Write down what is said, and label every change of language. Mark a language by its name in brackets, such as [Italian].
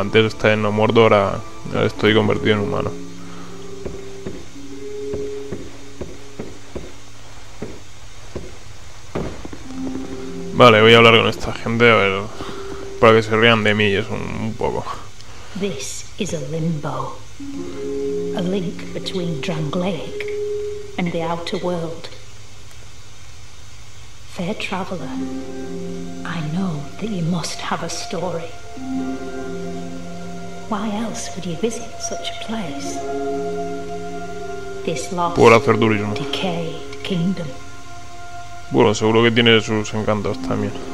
[Spanish] Antes estaba en no muerto, ahora estoy convertido en humano. Vale, voy a hablar con esta gente a ver, para que se rían de mí, es un poco. [English] This is a limbo. A link between Drangleic and the outer world. Fair traveler, I know that you must have a story. Why else would you visit such a place? This lost, decayed kingdom. [Spanish] Bueno, seguro que tiene sus encantos también.